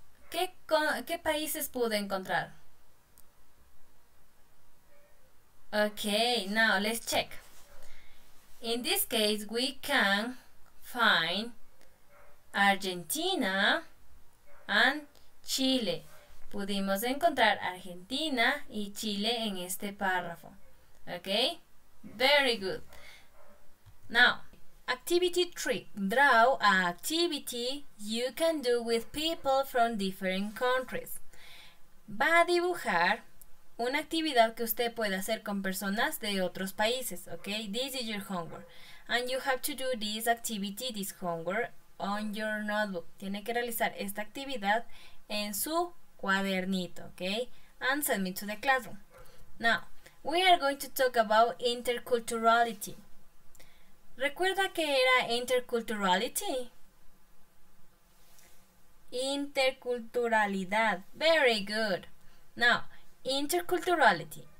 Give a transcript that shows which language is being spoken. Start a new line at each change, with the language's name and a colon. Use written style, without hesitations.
Spanish: ¿Qué países pude encontrar?
English: Okay, now let's check. In this case, we can find Argentina and Chile.
Spanish: Pudimos encontrar Argentina y Chile en este párrafo.
English: Okay? Very good. Now, activity 3. Draw a activity you can do with people from different countries.
Spanish: Va a dibujar una actividad que usted puede hacer con personas de otros países, okay?
English: This is your homework. And you have to do this activity, this homework, on your notebook.
Spanish: Tiene que realizar esta actividad en su cuadernito, okay?
English: And send me to the classroom. Now, we are going to talk about interculturality.
Spanish: ¿Recuerda qué era interculturality?
English: Interculturalidad. Very good. Now, interculturality.